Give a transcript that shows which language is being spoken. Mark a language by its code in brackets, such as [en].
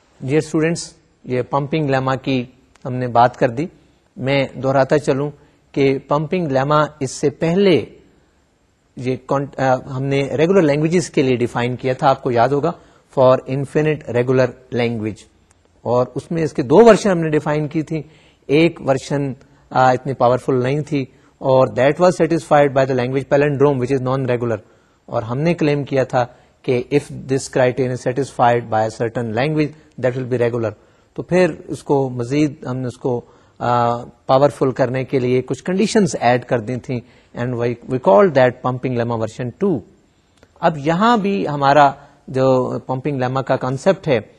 [ur] Dear students, یہ pumping lemma کی ہم نے بات کر دی. میں دہراتا چلوں کہ pumping lemma اس سے پہلے یہ ہم نے regular languages کے لیے define کیا تھا, آپ کو یاد ہوگا, [en] for infinite regular language. [ur] اور اس میں اس کے دو ورژن ہم نے define کی تھی. ایک ورژن اتنی پاورفل نہیں تھی, [en] اور that was satisfied by the language palindrome which is non regular. [ur] اور ہم نے کلیم کیا تھا کہ [en] If this criterion is satisfied by a certain language that will be regular. [ur] تو پھر اس کو مزید ہم نے اس کو پاورفل کرنے کے لیے کچھ کنڈیشنز ایڈ کر دی تھیں, [en] And we call that pumping lemma version 2. [ur] اب یہاں بھی ہمارا جو پمپنگ لیما کا کانسیپٹ ہے